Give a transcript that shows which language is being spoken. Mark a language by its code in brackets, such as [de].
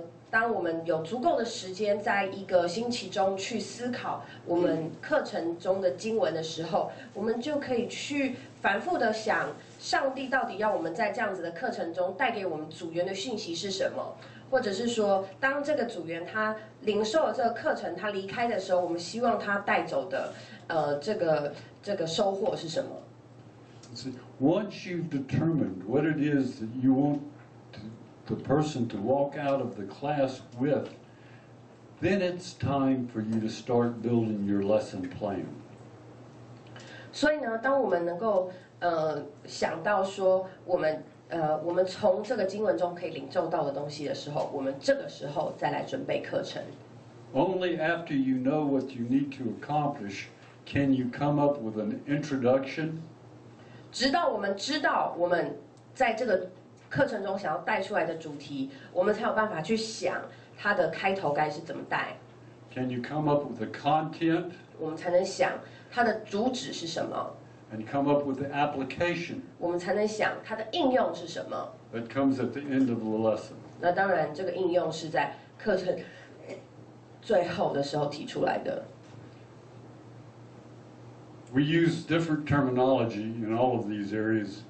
[zh] 当我们有足够的时间在一个星期中去思考我们课程中的经文的时候，我们就可以去反复的想， 上帝到底要我们在这样子的课程中带给我们组员的讯息是什么，或者是说，当这个组员他领受了这个课程，他离开的时候，我们希望他带走的，这个收获是什么？ [en] See, once you've determined what it is that you want the person to walk out of the class with, then it's time for you to start building your lesson plan. [zh] 所以呢，当我们能够想到说我们从这个经文中可以领受到的东西的时候，我们这个时候再来准备课程。 [en] Only after you know what you need to accomplish can you come up with an introduction. [zh] 直到我们知道我们在这个课程中想要带出来的主题，我们才有办法去想它的开头该是怎么带。 [en] Can you come up with a content? [zh] 我们才能想它的主旨是什么。 [en] And come up with the application. [zh] 我们才能想它的应用是什么。 [en] That comes at the end of the lesson. [zh] 那当然，这个应用是在课程最后的时候提出来的。 [en] We use different terminology in all of these areas.